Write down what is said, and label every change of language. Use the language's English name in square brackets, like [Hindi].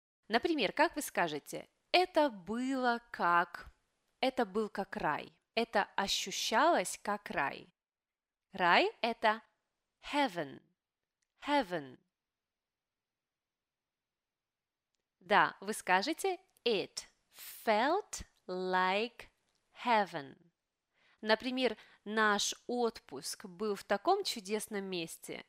[Russian] Например, как вы скажете «это было как», «это был как рай», «это ощущалось как рай». Рай – это heaven, heaven. Да, вы скажете [English] «it felt like heaven». [Russian] Например, наш отпуск был в таком чудесном месте.